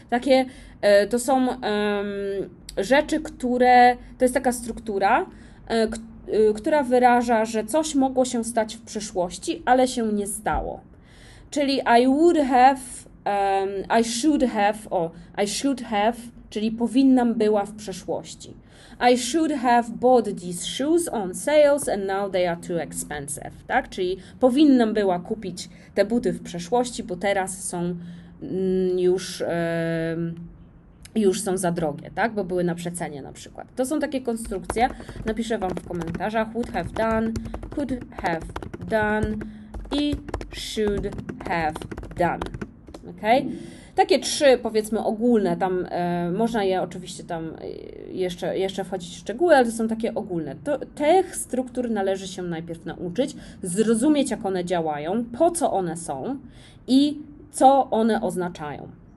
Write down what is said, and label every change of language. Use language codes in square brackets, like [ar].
[pl] Takie, to są rzeczy, które, to jest taka struktura, która wyraża, że coś mogło się stać w przyszłości, ale się nie stało. Czyli [en] I would have, I should have, o, I should have, [pl] czyli powinnam była w przeszłości. [en] I should have bought these shoes on sales and now they are too expensive, [pl] tak? Czyli powinnam była kupić te buty w przeszłości, bo teraz są już, już są za drogie, tak? Bo były na przecenie na przykład. To są takie konstrukcje. Napiszę Wam w komentarzach. [en] Would have done, could have done i should have done. Ok? [pl] Takie trzy, powiedzmy, ogólne. Tam można je oczywiście tam jeszcze wchodzić w szczegóły, ale to są takie ogólne. To, tych struktur należy się najpierw nauczyć, zrozumieć, jak one działają, po co one są i co one oznaczają.